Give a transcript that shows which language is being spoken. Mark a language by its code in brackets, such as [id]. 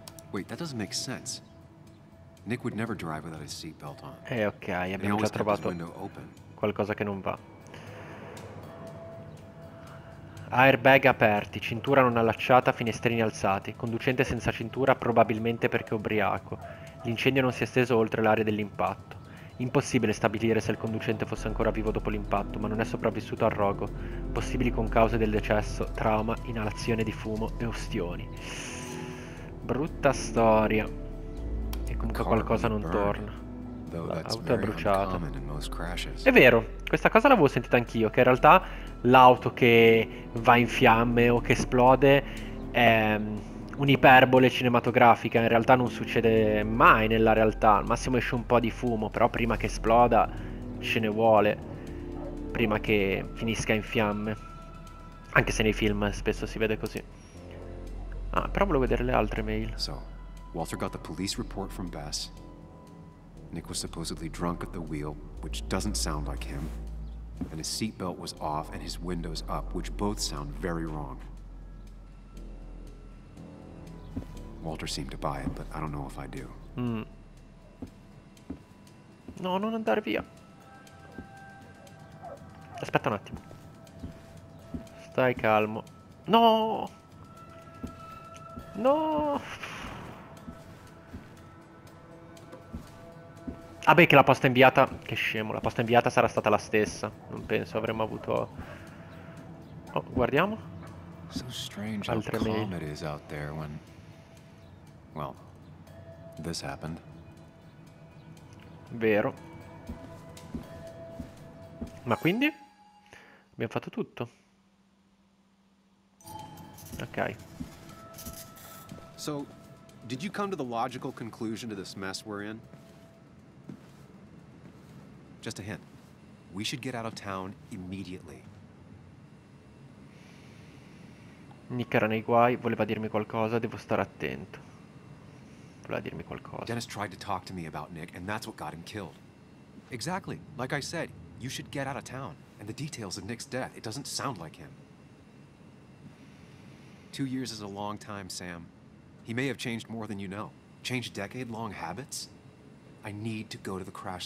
[en] Wait, that doesn't make sense. Nick would never drive without his seatbelt on. [it] Ok, abbiamo già trovato qualcosa che non va. Airbag aperti, cintura non allacciata, finestrini alzati. Conducente senza cintura, probabilmente perché ubriaco. L'incendio non si è esteso oltre l'area dell'impatto. Impossibile stabilire se il conducente fosse ancora vivo dopo l'impatto, ma non è sopravvissuto al rogo. Possibili concause del decesso: trauma, inalazione di fumo e ustioni. Brutta storia. E comunque qualcosa non torna. L'auto è bruciata. È vero, questa cosa l'avevo sentita anch'io, che in realtà l'auto che va in fiamme o che esplode è un'iperbole cinematografica, in realtà non succede mai nella realtà, al massimo esce un po' di fumo, però prima che esploda ce ne vuole, prima che finisca in fiamme, anche se nei film spesso si vede così. Ah, però volevo vedere le altre mail. [en] So, Walter got the police report from Bess. Nick was supposedly drunk at the wheel, which doesn't sound like him. And his seatbelt was off and his windows up, which both sound very wrong. Walter seemed to buy it, but I don't know if I do. [it] No, non andare via. Aspetta un attimo. Stai calmo. No! No! Vabbè, che la posta inviata. Che scemo, la posta inviata sarà stata la stessa. Non penso avremmo avuto. Oh, guardiamo. [en] So strange how [it] Altre [en] calm [it] mail. [en] it is out there when, well, this happened. [it] Vero. Ma quindi? Abbiamo fatto tutto. Ok. [en] So, did you come to the logical conclusion to this mess we're in? Just a hint. We should get out of town immediately. [it] Nick era nei guai, voleva dirmi qualcosa, devo stare attento. Voleva dirmi qualcosa. [en] Dennis tried to talk to me about Nick, and that's what got him killed. Exactly. Like I said, you should get out of town. And the details of Nick's death, it doesn't sound like him. 2 years is a long time, Sam. He may have changed more than you know. Changed decade-long habits? I need to go to the crash